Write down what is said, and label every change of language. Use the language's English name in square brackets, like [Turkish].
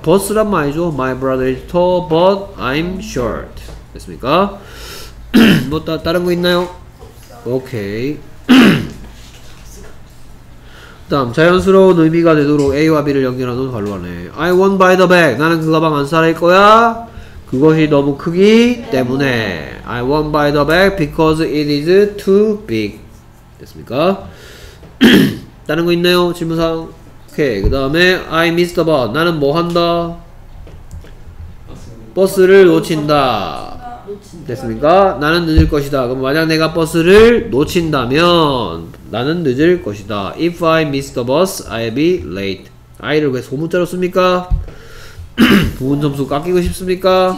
[Korean] 버스란 말이죠. [English] My brother is tall, but I'm short. [Korean] 됐습니까? 뭐 다른 거 있나요? 오케이. 다음 자연스러운 의미가 되도록 A와 B를 연결하는 관로하네. [English] I won't buy the bag. [Korean] 나는 그 가방 안 사릴 거야. 그것이 너무 크기 때문에. [English] I won't buy the bag because it is too big. [Korean] 됐습니까? 다른 거 있나요? 질문사항? 오케이. 그 다음에 [English] I miss the bus. [Korean] 나는 뭐 한다? 버스를 놓친다. 됐습니까? 나는 늦을 것이다. 그럼 만약 내가 버스를 놓친다면 나는 늦을 것이다. [English] If I miss the bus, I'll be late. [Korean] I를 왜 소문자로 씁니까? 부분 점수 깎이고 싶습니까?